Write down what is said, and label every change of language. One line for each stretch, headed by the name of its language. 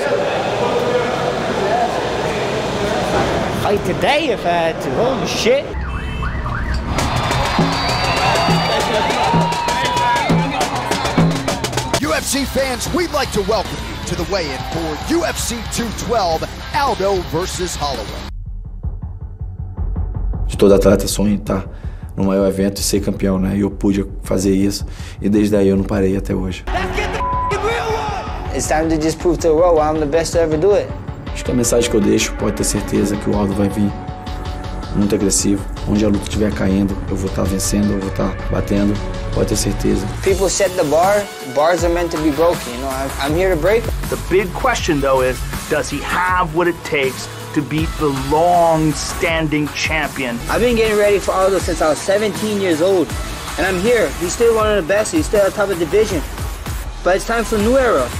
English: Fight today if I had to. Holy shit. UFC fans, we'd like to welcome you to the weigh-in for UFC 212, Aldo versus Holloway.
Portuguese: Todo atleta sonha em estar no maior evento e ser campeão, né? E eu pude fazer isso e desde aí eu não parei até hoje.
English: It's time to just prove to the world I'm the best to ever do it.
Portuguese: Acho que a mensagem que eu deixo, pode ter certeza que o Aldo vai vir muito agressivo. Onde a luta estiver caindo, eu vou estar vencendo, eu vou estar batendo Pode ter certeza.
English: People set the bar, bars are meant to be broken, you know, I'm here to break. The big question though is, does he have what it takes to beat the long-standing champion? I've been getting ready for Aldo since I was 17 years old, and I'm here. He's still one of the best, he's still at the top of the division. But it's time for a new era.